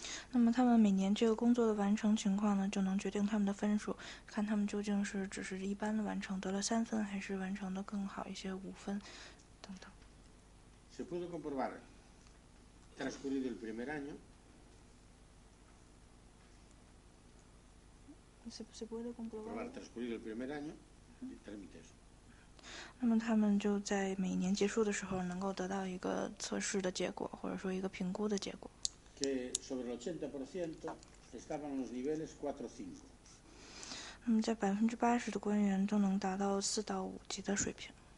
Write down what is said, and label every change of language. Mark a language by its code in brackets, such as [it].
[zh] 那么他们每年这个工作的完成情况呢，就能决定他们的分数，看他们究竟是只是一般的完成得了三分，还是完成的更好一些五分等等。 [es] Se pudo comprobar transcurrido el primer año. Se puede comprobar transcurrido el primer año. [zh] 那么他们就在每年结束的时候能够得到一个测试的结果，或者说一个评估的结果。 [es] Que sobre el 80% estaban los niveles 4-5. [zh] 那么在80%的官员都能达到4-5级的水平。